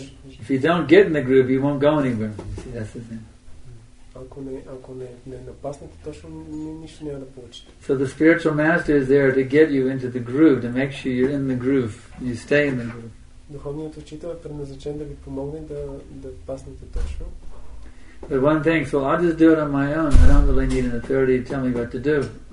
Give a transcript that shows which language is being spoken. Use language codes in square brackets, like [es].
[en] If you don't get in the groove, you won't go anywhere. You see, that's the thing. [bg] Ако не напаснете, точно нищо няма да получите. [en] So the spiritual master is there to get you into the groove, to make sure you're in the groove, you stay in the groove. [bg] Духовният учител е предназначен да ви помогне да паснете точно. [en] But one thing, so I'll just do it on my own. I don't really need an authority to tell me what to do.